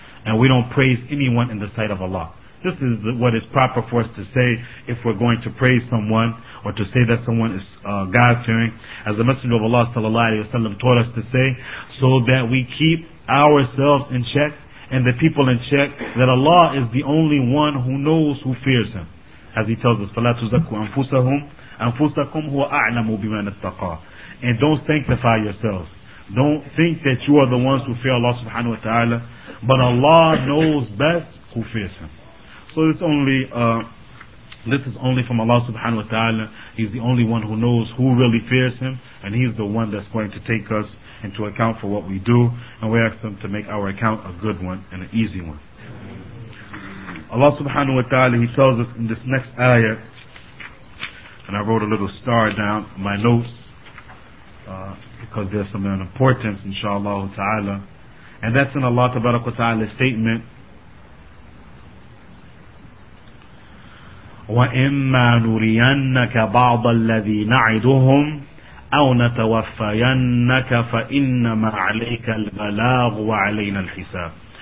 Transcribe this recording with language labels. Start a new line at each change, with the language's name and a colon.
English: And we don't praise anyone in the sight of Allah. This is what is proper for us to say if we're going to praise someone or to say that someone is God-fearing. As the Messenger of Allah sallallahu alayhi wa sallam taught us to say, so that we keep ourselves in check and the people in check, that Allah is the only one who knows who fears him. As he tells us,
Arabic: فَلَا تُزَكُوا أَنفُسَهُمْ أَنفُسَكُمْ هُوَ أَعْلَمُ بِمَنَ اتَّقَى.
English: And don't sanctify yourselves. Don't think that you are the ones who fear Allah subhanahu wa ta'ala. But Allah knows best who fears him. So it's only this is only from Allah subhanahu wa ta'ala. He's the only one who knows who really fears him, and he's the one that's going to take us into account for what we do. And we ask him to make our account a good one and an easy one. Allah subhanahu wa ta'ala, he tells us in this next ayah, and I wrote a little star down in my notes because there's some importance, inshallah ta'ala. And that's in Allah tabarak wa ta'ala's statement,
Arabic: وَإِمَّا نُرِيَنَّكَ بَعْضَ الَّذِي نَعِدُهُمْ أَوْ نَتَوَفَّيَنَّكَ فَإِنَّمَا عَلَيْكَ الْبَلَاغُ وَعَلَيْنَا الْحِسَابُ.